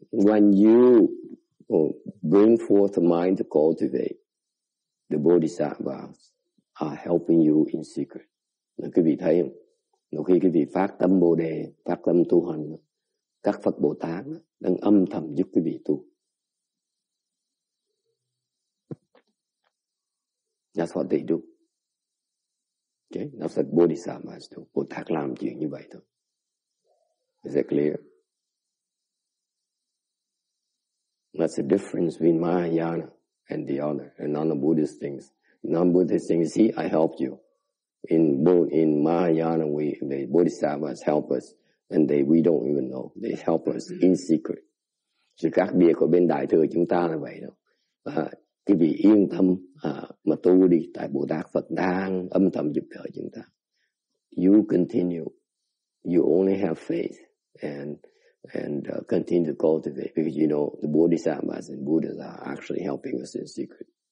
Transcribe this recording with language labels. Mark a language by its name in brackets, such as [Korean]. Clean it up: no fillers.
[English] When you bring forth a mind to cultivate, the bodhisattvas are helping you in secret. [Vietnamese] Nên quý vị thấy không? Nếu khi quý vị phát tâm bồ đề, phát tâm tu hành, các Phật Bồ Tát đang âm thầm giúp quý vị tu. [English] That's what they do. Okay? That's what bodhisattvas do. [Vietnamese] Bồ Tát làm chuyện như vậy thôi. [English] Is that clear? That's the difference between Mahayana and the other, and non-Buddhist things. Non-Buddhist things, see, I helped you. In Mahayana, the bodhisattvas help us, and we don't even know. They help us in secret. [Vietnamese] Sự khác biệt của bên Đại Thừa chúng ta là vậy đó. Quý vị yên tâm mà tu đi, tại Bồ Tát Phật đang âm thầm giúp đỡ chúng ta. [English] You continue. You only have faith and continue to cultivate, because you know the bodhisattvas and Buddhas are actually helping us in secret.